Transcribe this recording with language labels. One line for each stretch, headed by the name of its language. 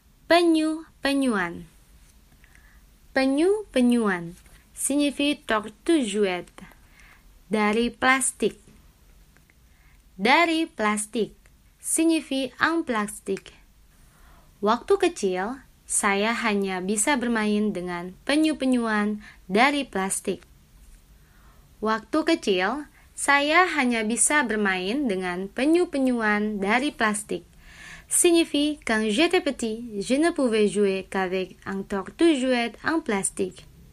French: Penyu-penyuan. Penyu-penyuan signifie tortue jouette.
Indonesian: Dari plastik. Dari plastik
French: signifie en plastique.
Indonesian: Waktu kecil, saya hanya bisa bermain dengan penyu-penyuan dari plastik. Waktu kecil, saya hanya bisa bermain dengan penyu-penyuan dari plastik.
French: Signifie, quand j'étais petit, je ne pouvais jouer qu'avec un tortue jouette en plastique.